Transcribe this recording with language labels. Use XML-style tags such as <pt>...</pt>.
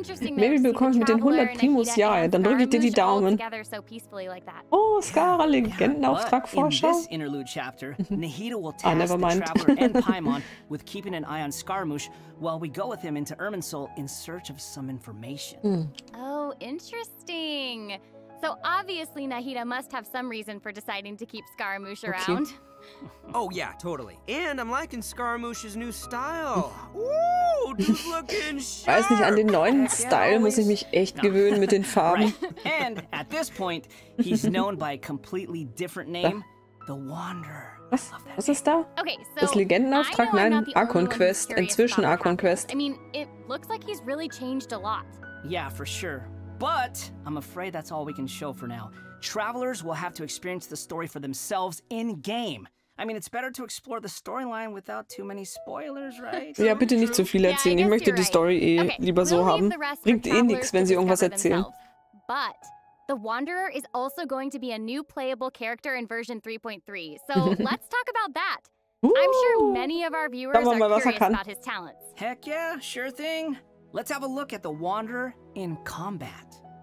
<de>Maybe bekomme ich mit den 100 Primus, ja, dann drücke ich dir die Daumen.</de> <en>So like</en> <de>oh, Scara, Legendenauftrag Vorschau.</de> <en>In chapter, Nahida will task the traveler and Paimon with keeping an eye on Scaramouche while we go with him into Irminsul in search of some information. Oh, interesting. So obviously Nahida must have some reason for deciding to keep Scaramouche around. Okay. Oh yeah, totally. And I'm liking Scaramouche's new style. Ooh, just looking sharp.</en> <de>Weiß nicht, an den neuen Style muss ich mich echt gewöhnen mit den Farben.</de> <en>Right. And at this point, he's known by a completely different name, the Wanderer.</en> <de>Was ist da?</de> <en>Okay, so</en> <de>das Legendenauftrag? Nein, Archon Quest. Inzwischen Archon Quest.</de> <en>I mean, it looks like he's really changed a lot. Yeah, for sure. But I'm afraid that's all we can show for now. Travelers will have to experience the story for themselves in-game. I mean, it's better to explore the storyline without too many spoilers, right?</en> <de>Ja, bitte nicht zu viel erzählen. Ich möchte die Story eh lieber so haben. Bringt eh nichts, wenn sie irgendwas erzählen.</de> <en>But the Wanderer is also going to be a new playable character in version 3.3. So let's talk about that. I'm sure many of our viewers are curious about his talents. Heck yeah, sure thing. Let's have a look at the Wanderer in combat.</en>